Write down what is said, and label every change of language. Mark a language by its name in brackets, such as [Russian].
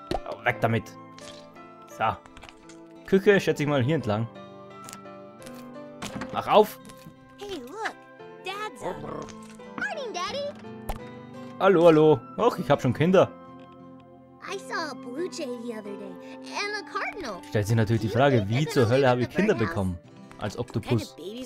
[German] Oh, weg damit. So. Küche, schätze ich mal hier entlang. Mach auf. [English] Hey, look. Dad's up. Morning, Daddy. [German] Hallo, hallo. Och, ich hab schon Kinder. [English] I saw a blue jay the other day and a cardinal. [German] Stellt sich natürlich die Frage, wie zur Hölle habe ich Kinder bekommen? Als Oktopus.